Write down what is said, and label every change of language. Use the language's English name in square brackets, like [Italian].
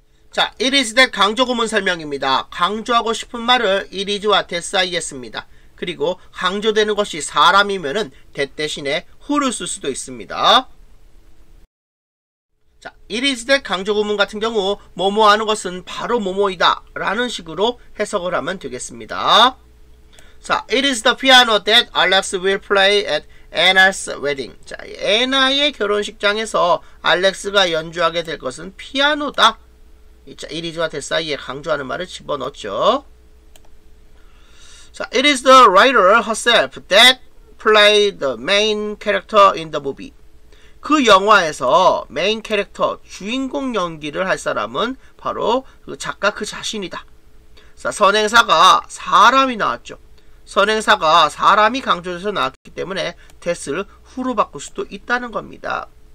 [Korean] 자, It is that 강조구문 설명입니다. 강조하고 싶은 말을 It is와 that 사이에 씁니다. 그리고 강조되는 것이 사람이면은 that 대신에 who를 쓸 수도 있습니다. 자, It is that 강조구문 같은 경우 뭐뭐 하는 것은 바로 뭐뭐이다 라는 식으로 해석을 하면 되겠습니다. [English] 자, It is the piano that Alex will play at Anna's wedding. [Korean] 자, Anna의 결혼식장에서 알렉스가 연주하게 될 것은 피아노다. 자, It is와 that 사이에 강조하는 말을 집어넣었죠. [English] 자, It is the writer herself that played the main character in the movie. [Korean] 그 영화에서 메인 캐릭터, 주인공 연기를 할 사람은 바로 그 작가 그 자신이다. 자, 선행사가 사람이 나왔죠. 선행사가 사람이 강조돼서 나왔기 때문에 that을 who로 바꿀 수도 있다는 겁니다.